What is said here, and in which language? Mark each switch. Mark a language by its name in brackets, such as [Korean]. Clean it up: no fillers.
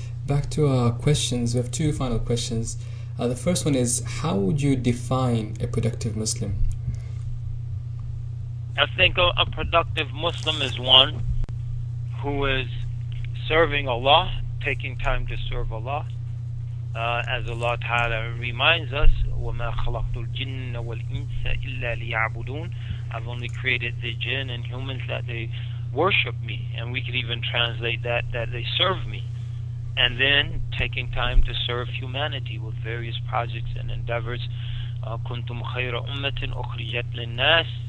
[English] Back to our questions, we have two final questions. The first one is, how would you define a productive Muslim? I think a productive Muslim is one who is serving Allah, taking time to serve Allah. As Allah Ta'ala reminds us, [Arabic] وَمَا خَلَقْتُ الْجِنَّ وَالْإِنسَ إِلَّا لِيَعْبُدُونَ. [English] I've only created the jinn and humans that they worship me. And we could even translate that they serve me. And then taking time to serve humanity with various projects and endeavors. [Arabic] كُنْتُمْ خَيْرَ أُمَّةٍ أُخْرِجَتْ لِلنَّاسِ.